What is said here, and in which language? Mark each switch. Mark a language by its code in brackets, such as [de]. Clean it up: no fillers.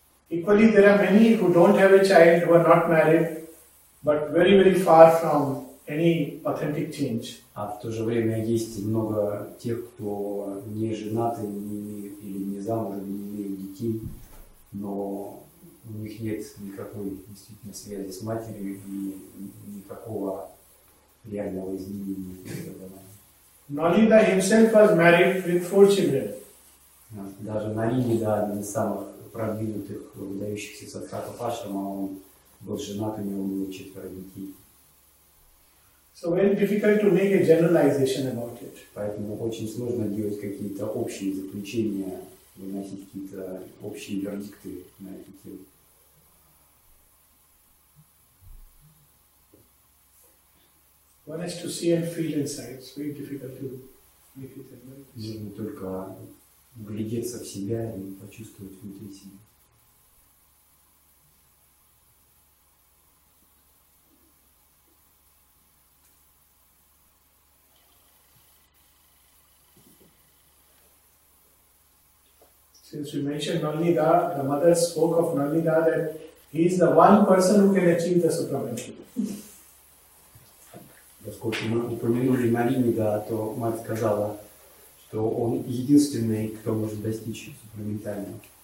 [en] Equally, there are many who don't have a child, who are not married, but very, very far from any authentic change. [ru] А в то же время есть много тех, кто не женаты, не замужем, не имеют детей, но у них нет никакой действительно связи с матерью и никакого реального изменения. [en] Налинда himself was married with four children. [ru] Даже Налинда, один из самых продвинутых, выдающихся садхаков ашрама, он был женат, у него было четверо детей. [en] So very difficult to make a generalization about it. [ru] Поэтому очень сложно делать какие-то общие заключения, выносить какие-то общие вердикты на эту тему. [en] One has to see and feel inside. It's very difficult to make it generalized. [ru] Нужно только вглядеться в себя и почувствовать внутри себя. [en] Since we mentioned Nalinda, the mother spoke of Nalinda that he is the one person who can achieve the supramanship. [ru] Поскольку мы упомянули Нальинда, то мать сказала, что он единственный, кто может достичь супраментального.